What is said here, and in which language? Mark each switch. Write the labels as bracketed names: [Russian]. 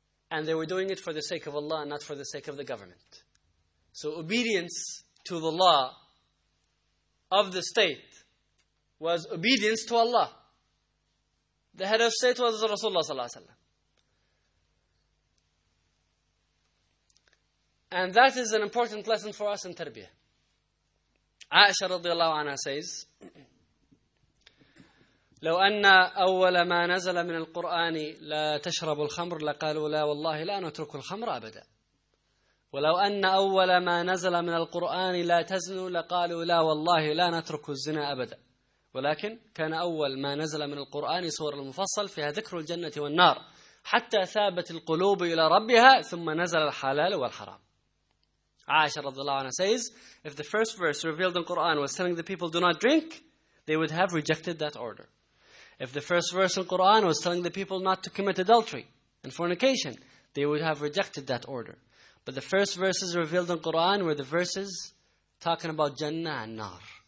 [English] And they were doing it for the sake of Allah, not for the sake of the government. So obedience to the law of the state was obedience to Allah. The head of state was Rasulullah sallallahu alaihi wasallam. And that is an important lesson for us in tarbiyah. [Arabic] Aisha radiallahu anha says, لو أن أول ما نزل من القرآن لا تشرب الخمر لقالوا لا والله لا نترك الخمر أبدا ولو أن أول ما نزل من القرآن لا تزنوا لقالوا لا والله لا نترك الزنا أبدا ولكن كان أول ما نزل من القرآن سورة المفصل فيها ذكر الجنة والنار حتى ثابت القلوب إلى ربها ثم نزل الحلال والحرام. [English] عائشة [Arabic] رضي الله عنها [English] says, if the first verse revealed in the Quran was telling the people do not drink, they would have rejected that order. If the first verse in Quran was telling the people not to commit adultery and fornication, they would have rejected that order. But the first verses revealed in Quran were the verses talking about Jannah and Nar.